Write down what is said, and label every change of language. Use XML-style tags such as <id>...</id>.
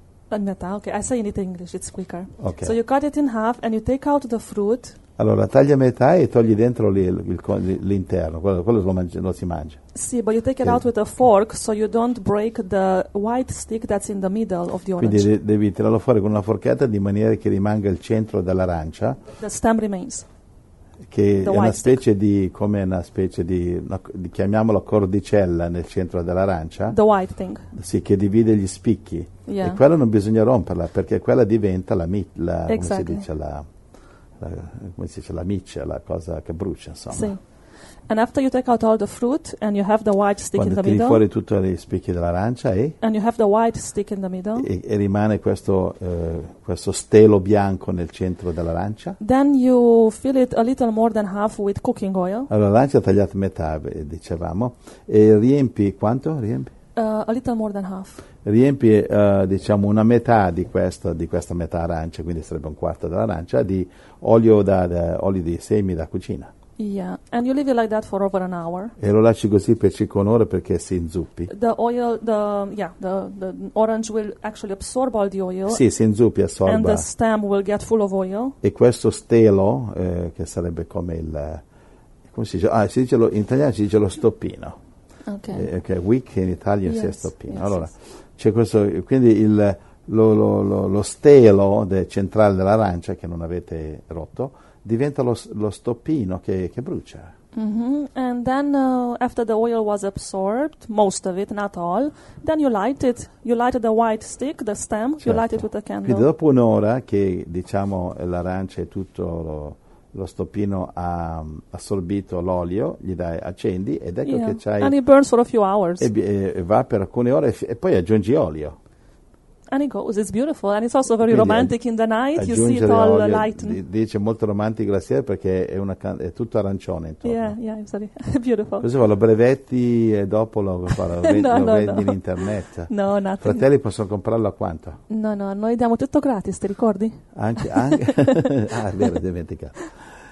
<en>Okay, I say it in English, it's quicker. Okay. So you cut it in half and you take out the fruit.</en> <it>Allora, tagli a metà e togli dentro l'interno, quello lo si mangia.</it> <en>Sì, but you take it out with a fork so you don't break the white stick that's in the middle of the orange.</en> <it>Quindi devi tirarlo fuori con una forchetta di maniera che rimanga il centro dell'arancia.</it> <en>The stem remains.</en> <it>Che è una specie di, come una specie di chiamiamolo cordicella nel centro dell'arancia.</it> <en>The white thing.</en> <it>Sì, che divide gli spicchi.</it> <en>Yeah.</en> <it>E quella non bisogna romperla, perché quella diventa</it> <en>exactly.</en> <it>Come si dice, la miccia, la cosa che brucia, insomma. Sì.</it> <en>And after you take out all the fruit and you have the white stick</en> <it>quando</it> <en>in the middle.</en> <it>Quando tiri fuori tutti gli spicchi dell'arancia e?</it> <en>And you have the white stick in the middle.</en> <it>E rimane questo stelo bianco nel centro dell'arancia.</it> <en>Then you fill it a little more than half with cooking oil.</en> <it>Allora l'arancia tagliata a metà, dicevamo, e riempi quanto?</it> <en>A little more than half.</en> <it>riempi diciamo una metà di questo, di questa metà arancia, quindi sarebbe un quarto dell'arancia, di olio da olio di semi da cucina.</it> <en>Yeah, and you leave it like that for over an hour.</en> <it>E lo lasci così per circa un'ora perché si inzuppi.</it> <en>The oil, the orange will actually absorb all the oil.</en> <it>Sì, si inzuppi, assorba.</it> <en>And the stem will get full of oil.</en> <it>E questo stelo, che sarebbe come il, come si dice? Ah, si dice lo, in italiano si dice lo stoppino. Ok. Ok, wick in Italia si è stoppino. Yes, allora, c'è questo, quindi il lo stelo centrale dell'arancia che non avete rotto diventa lo stoppino che brucia. Mm-hmm.</it> <en>And then after the oil was absorbed, most of it, not all, then you light it. You light the white stick, the stem.</en> <it>Certo.</it> <en>You light it with a candle.</en> <it>Quindi dopo un'ora che diciamo l'arancia e tutto lo stoppino ha assorbito l'olio, gli dai, accendi ed ecco che c'hai.</it> <en>And it burns for a few hours.</en> <it>E va per alcune ore e poi aggiungi olio.</it> <en>And it goes, it's beautiful, and it's also very romantic in the night, you see it all</en> <it>olio,</it> <en>lighten.</en> <it>Dice molto romantico la sera perché è tutto arancione intorno.</it> <en>Yeah, I'm sorry, beautiful.</en> <it>Così lo brevetti e dopo lo vendi in internet.</it> <en>No, nothing.</en> <it>Fratelli possono comprarlo a quanto? No, noi diamo tutto gratis, ti ricordi? Anche ah, vero, dimenticato.</it>